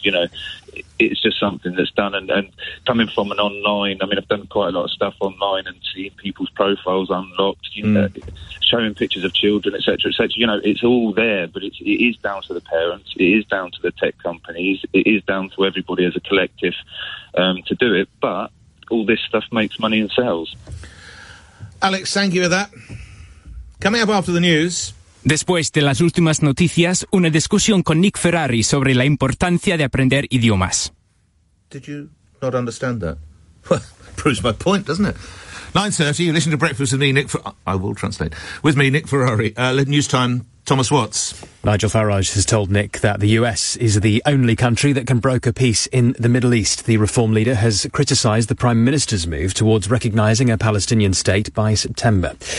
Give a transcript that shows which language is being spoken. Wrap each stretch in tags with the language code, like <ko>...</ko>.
<en>You know, it's just something that's done. And coming from an online, I mean, I've done quite a lot of stuff online and seeing people's profiles unlocked, showing pictures of children, et cetera, et cetera. You know, it's all there, but it is down to the parents. It is down to the tech companies. It is down to everybody as a collective to do it. But all this stuff makes money and sales. Alex, thank you for that. Coming up after the news...</en> <es>Después de las últimas noticias, una discusión con Nick Ferrari sobre la importancia de aprender idiomas.</es> <en>Did you not understand that? Well, proves my point, doesn't it? 9:30, you listen to Breakfast with me, Nick Ferrari. I will translate. With me, Nick Ferrari. News time, Thomas Watts. Nigel Farage has told Nick that the US is the only country that can broker peace in the Middle East. The Reform leader has criticised the Prime Minister's move towards recognising a Palestinian state by September.</en>